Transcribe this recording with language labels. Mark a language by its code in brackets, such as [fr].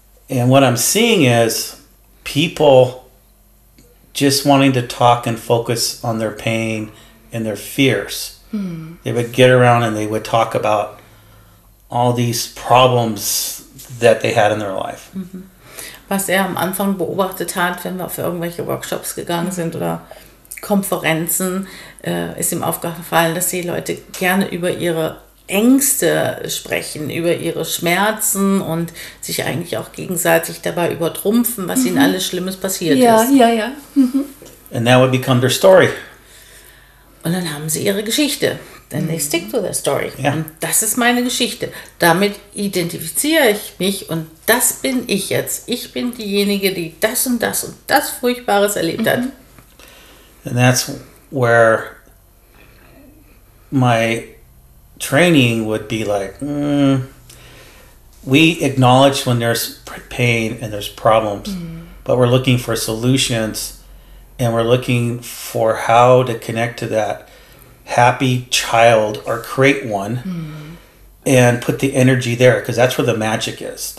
[en] And what I'm seeing is people just wanting to talk and focus on their pain and their fears. They would get around and they would talk about all these problems that they had in their life. [de] Was er am Anfang beobachtet hat, wenn wir auf irgendwelche Workshops gegangen sind oder Konferenzen, ist ihm aufgefallen, dass die Leute gerne über ihre Ängste sprechen, über ihre Schmerzen und sich eigentlich auch gegenseitig dabei übertrumpfen, was ihnen alles Schlimmes passiert ist. Ja, ja, ja. [en] And that would become their story. [de] Und dann haben sie ihre Geschichte. [en] Then they stick to their story. Yeah. [de] Und das ist meine Geschichte. Damit identifiziere ich mich und das bin ich jetzt. Ich bin diejenige, die das und das und das Furchtbares erlebt hat. [en] And that's where my training would be like, we acknowledge when there's pain and there's problems, but we're looking for solutions and we're looking for how to connect to that happy child or create one and put the energy there, because that's where the magic is.